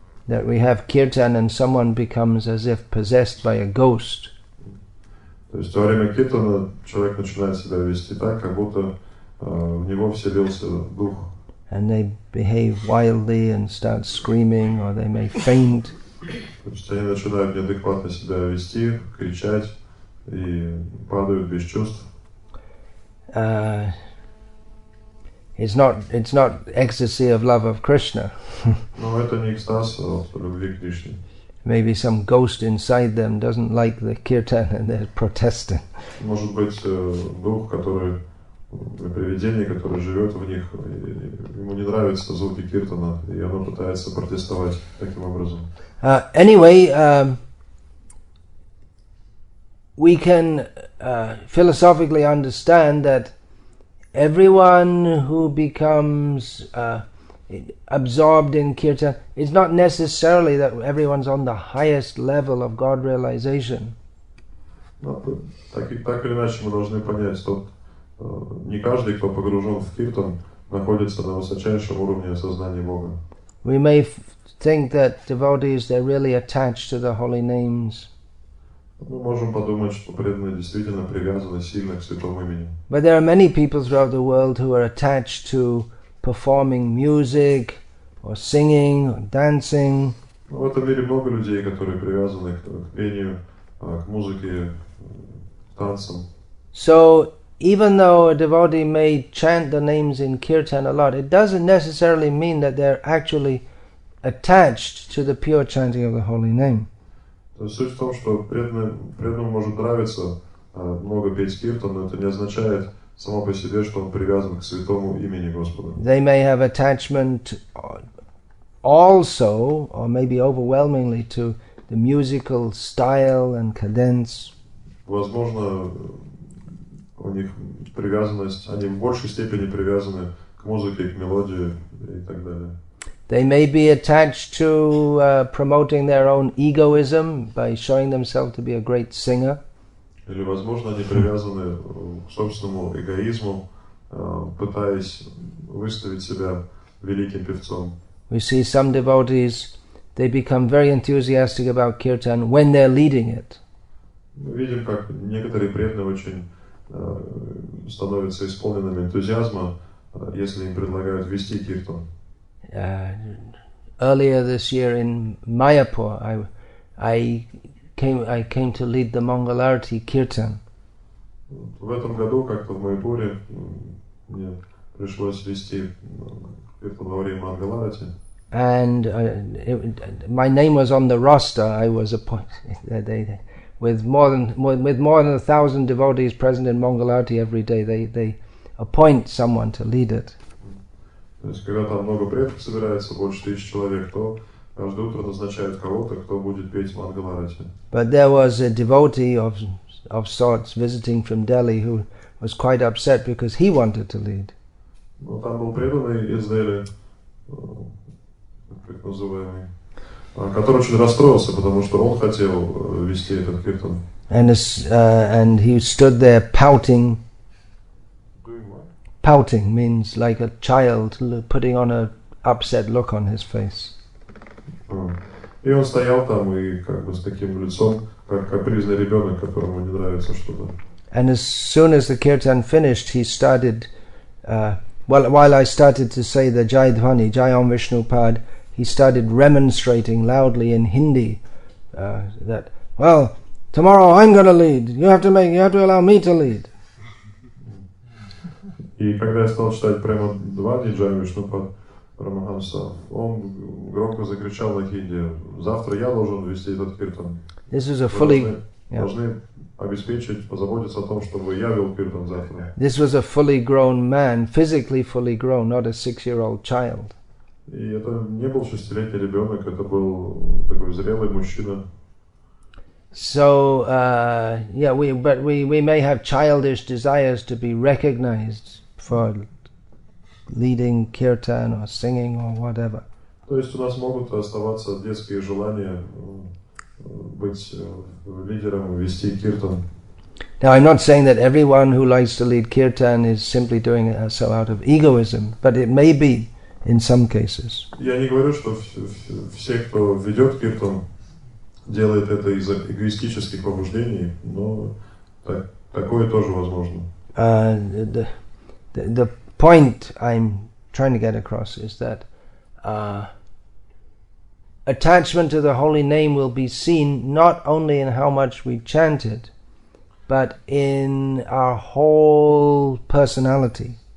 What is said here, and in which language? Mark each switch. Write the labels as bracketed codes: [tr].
[en] That we have kirtan and someone becomes as if possessed by a ghost. [ru] То есть во время киртана человек начинает себя вести так, как будто в него вселился дух. [en] And they behave wildly and start screaming, or they may faint. [ru] Они начинают неадекватно себя вести, кричать и падают без чувств. [en] It's not ecstasy of love of Krishna. [ru] Но это не экстаз от любви к Кришне. [en] Maybe some ghost inside them doesn't like the kirtan and they're protesting. [ru] Может быть дух, который привидение, которое живет в них, ему не нравятся звуки киртана, и оно пытается протестовать таким образом. [en] We can philosophically understand that everyone who becomes absorbed in kirtan, it's not necessarily that everyone's on the highest level of God realization. [ru] Так или иначе, мы должны понять, что не каждый, кто погружен в киртан, находится на высочайшем уровне осознания Бога. [en] We may think that devotees, they're really attached to the holy names. [ru] Мы можем подумать, что преданные действительно привязаны сильно к святому имени. [en] But there are many people throughout the world who are attached to performing music or singing or dancing. [ru] В этом мире много людей, которые привязаны к пению, к музыке, к танцам. [en] So even though a devotee may chant the names in kirtan a lot, it doesn't necessarily mean that they're actually attached to the pure chanting of the holy name. [ru] Суть в том, что преданному может нравиться много петь киртан, но это не означает само по себе, что он привязан к святому имени Господа. [en] They may have attachment also, or maybe overwhelmingly, to the musical style and cadence. [ru] Возможно, у них привязанность, они в большей степени привязаны к музыке, к мелодии и так далее. [en] They may be attached to promoting their own egoism by showing themselves to be a great singer. [ru] Или, возможно, они привязаны к собственному эгоизму, пытаясь выставить себя великим певцом. [en] We see some devotees, they become very enthusiastic about kirtan when they're leading it. [ru] Мы видим, как некоторые преданные очень становятся исполненными энтузиазма, если им предлагают вести киртан. [en] Earlier this year in Mayapur, I came to lead the Mangal Arati kirtan. [ru] В этом году как-то в Майпуре мне пришлось вести kirtan во время Mangal Arati. [en] And my name was on the roster. I was appointed with more than 1,000 devotees present in Mangal Arati every day. They appoint someone to lead it. [ru] То есть, когда там много предков собирается, больше тысяч человек, то каждое утро назначают кого-то, кто будет петь Мангал Арати. [en] But there was a devotee of sorts visiting from Delhi who was quite upset because he wanted to lead. [ru] Но там был преданный из Дели, так называемый, который очень расстроился, потому что он хотел вести этот киртан. [en] And he stood there pouting. Pouting means like a child putting on an upset look on his face. [ru] И он стоял там и как бы с таким лицом, как капризный ребенок, которому не нравится что-то. [en] And as soon as the kirtan finished, he started. While I started to say the Jai Dhvani, Jai Om Vishnu Pad, he started remonstrating loudly in Hindi that, well, tomorrow I'm going to lead. You have to allow me to lead. [ru] И когда я стал читать прямо два диджая Вишну под Рамахамса, он громко закричал на хинди: «Завтра я должен вести этот киртан». [en] This is a fully, [ru] должны обеспечить, позаботиться о том, чтобы я вел киртан завтра. [en] This was a fully grown man, physically fully grown, not a six-year-old child. [ru] И это не был шестилетний ребенок, это был такой зрелый мужчина. [en] So, we may have childish desires to be recognized for leading kirtan or singing or whatever. [ru] То есть у нас могут оставаться детские желания быть лидером, вести киртан. [en] Now, I'm not saying that everyone who likes to lead kirtan is simply doing it so out of egoism, but it may be in some cases. [ru] Я не говорю, что все, кто ведет киртан, делает это из эгоистических побуждений, но такое тоже возможно. [en] The point I'm trying to get across is that attachment to the holy name will be seen not only in how much we chant it, but in our whole personality.